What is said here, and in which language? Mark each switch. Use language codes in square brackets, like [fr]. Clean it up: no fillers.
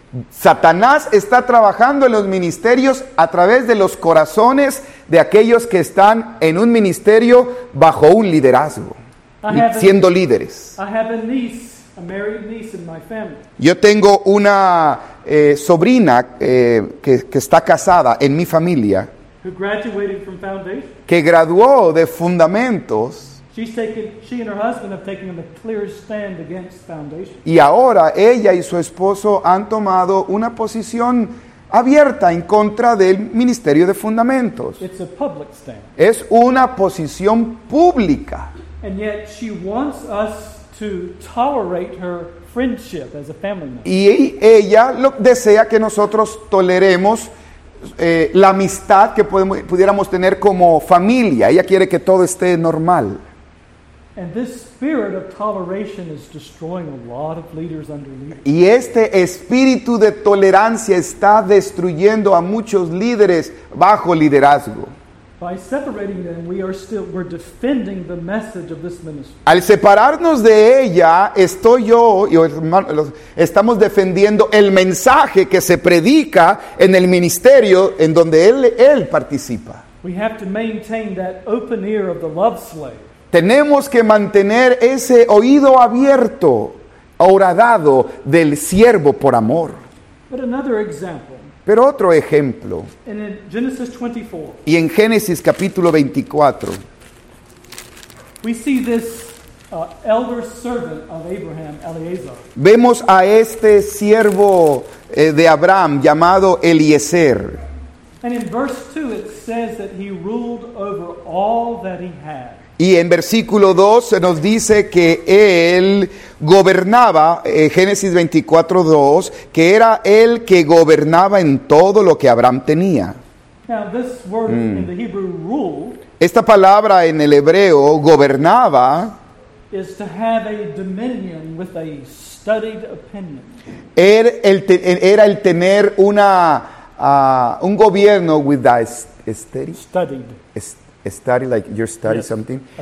[es] Satanás está trabajando en los ministerios a través de los corazones de aquellos que están en un ministerio bajo un liderazgo, siendo líderes. [en] A married niece in my family. [es] Yo tengo una sobrina que está casada en mi familia. [en] Who graduated from Foundation. [es] Que graduó de Fundamentos. [en] She and her husband have taken the clearest stand against Foundation. [es] Y ahora ella y su esposo han tomado una posición abierta en contra del Ministerio de Fundamentos. [en] It's a public stand. [es] Es una posición pública. [en] And yet she wants us to tolerate her friendship as a family member. [es] Y ella desea que nosotros toleremos la amistad que pudiéramos tener como familia. Ella quiere que todo esté normal. [en] And this spirit of toleration is destroying a lot of leaders under leaders. [es] Y este espíritu de tolerancia está destruyendo a muchos líderes bajo liderazgo. [en] By separating them, we're defending the message of this ministry. [es] Al separarnos de ella, estoy yo y hermanos, estamos defendiendo el mensaje que se predica en el ministerio en donde él participa. [en] We have to maintain that open ear of the love slave. [es] Tenemos que mantener ese oído abierto, horadado del siervo por amor. [en] But another example. [es] Pero otro ejemplo. [en] In Genesis 24. [es] Y en Génesis capítulo 24. [en] We see this elder servant of Abraham, Eliezer. [es] Vemos a este siervo de Abraham llamado Eliezer. [en] And in verse 2 it says that he ruled over all that he had. [es] Y en versículo 2 se nos dice que él gobernaba, Génesis 24, 2, que era él que gobernaba en todo lo que Abraham tenía. [en] Now, this word in the Hebrew, rule, [es] esta palabra en el hebreo, gobernaba, [en] is to have a dominion with a studied opinion. [es] Era el tener una un gobierno [en] with a studied opinion. Study, like you're studying something.